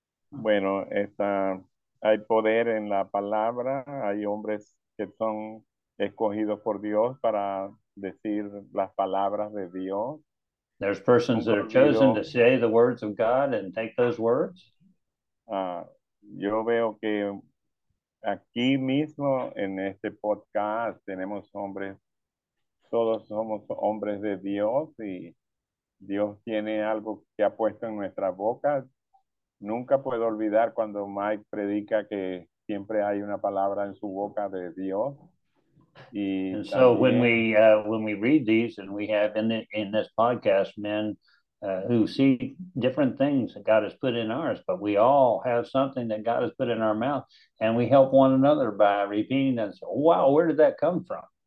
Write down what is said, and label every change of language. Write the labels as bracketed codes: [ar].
[es] Bueno, esta, hay poder en la palabra. Hay hombres que son escogidos por Dios para decir las palabras de Dios. [en] There's persons that are chosen to say the words of God and take those words. [es] Yo veo que aquí mismo en este podcast tenemos hombres, todos somos hombres de Dios y Dios tiene algo que ha puesto en nuestra boca. Nunca puedo olvidar cuando Mike predica que siempre hay una palabra en su boca de Dios. Y [en] and so [es] también, [en] when we read these and we have in this podcast men who see different things that God has put in ours, but we all have something that God has put in our mouth and we help one another by repeating that. So, wow, where did that come from?